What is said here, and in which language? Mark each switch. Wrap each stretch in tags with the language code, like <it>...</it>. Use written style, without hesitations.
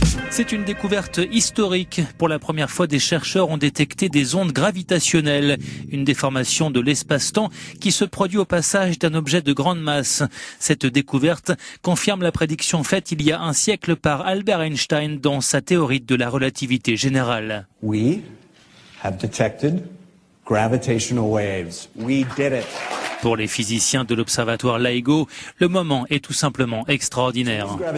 <fr>C'est une découverte historique. Pour la première fois, des chercheurs ont détecté des ondes gravitationnelles, une déformation de l'espace-temps qui se produit au passage d'un objet de grande masse. Cette découverte confirme la prédiction faite il y a un siècle par Albert Einstein dans sa théorie de la relativité générale.</fr> <en>We have detected gravitational waves. We did it.</en> <fr>Pour les physiciens de l'observatoire LIGO, le moment est tout simplement extraordinaire.</fr>